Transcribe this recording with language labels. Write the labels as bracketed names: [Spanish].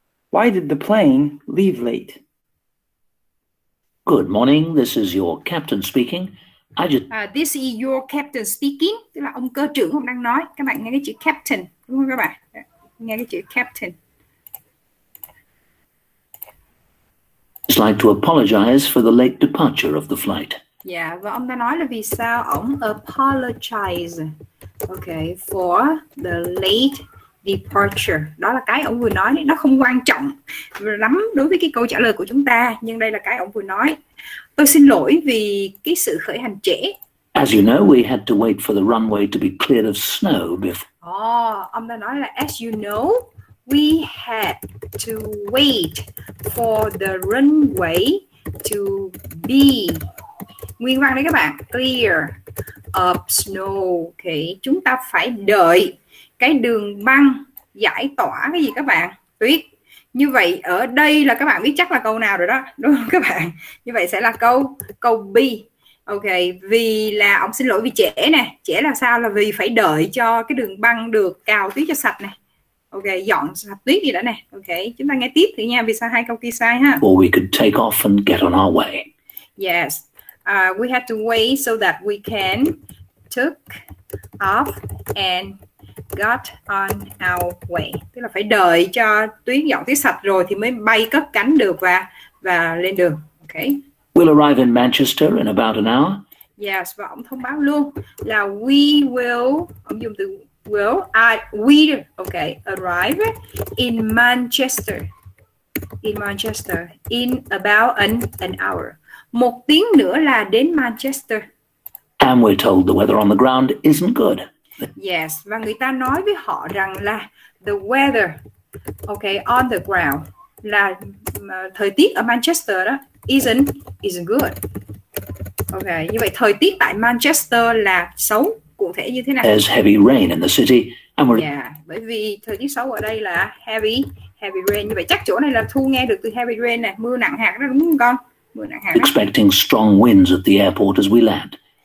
[English] Why did the plane leave late? Good morning, this is your captain speaking. This is your captain speaking. [Vietnamese] Tức là ông cơ trưởng ông đang nói. Các bạn nghe cái chữ captain đúng không các bạn? Nghe cái chữ captain. [English] It's like to apologize for the late departure of the flight. [Vietnamese] Yeah, và ông đã nói là vì sao ông apologize, okay, [English] for the late departure. [Vietnamese] Đó là cái ông vừa nói, nó không quan trọng lắm đối với cái câu trả lời của chúng ta. Nhưng đây là cái ông vừa nói. Tôi xin lỗi vì cái sự khởi hành trễ. [English] As you know, we had to wait for the runway to be cleared of snow before. Oh, [Vietnamese] ông đã nói là [English] as you know, we had to wait for the runway to be. [Vietnamese] Nguyên văn đấy các bạn, [English] clear of snow. [Vietnamese] Okay, chúng ta phải đợi cái đường băng giải tỏa cái gì các bạn? Tuyết. Như vậy ở đây là các bạn biết chắc là câu nào rồi đó, đúng không các bạn? Như vậy sẽ là câu B. Ok, vì là ông xin lỗi vì trễ nè. Trễ là sao? Là vì phải đợi cho cái đường băng được cào tuyết cho sạch nè. Ok, dọn sạch tuyết gì đó nè. Ok, chúng ta nghe tiếp thử nha, vì sao hai câu kia sai ha. [English] Or we could take off and get on our way. Yes, we had to wait so that we can took off and got on our way. [Vietnamese] Tức là phải đợi cho tuyến dọn tuyết sạch rồi thì mới bay cất cánh được và lên đường. Okay. [English] We'll arrive in Manchester in about an hour. [Vietnamese] Yes, và ông thông báo luôn là [English] we will, [Vietnamese] ông dùng từ will, we, okay, [English] arrive in Manchester. In Manchester, in about an hour. [Vietnamese] Một tiếng nữa là đến Manchester. [English] And we're told the weather on the ground isn't good. [Vietnamese] Yes, và người ta nói với họ rằng là [English] the weather, [Vietnamese] okay, [English] on the ground, [Vietnamese] là thời tiết ở Manchester đó, [English] isn't good. [Vietnamese] Okay, như vậy thời tiết tại Manchester là xấu, cụ thể như thế nào? [English] There's heavy rain in the city. And we're... [Vietnamese] Yeah, bởi vì thời tiết xấu ở đây là heavy rain. Như vậy chắc chỗ này là Thu nghe được từ heavy rain này, mưa nặng hạt đó đúng không con? Mưa nặng hạt đó. [English] Expecting strong winds at the airport as we land.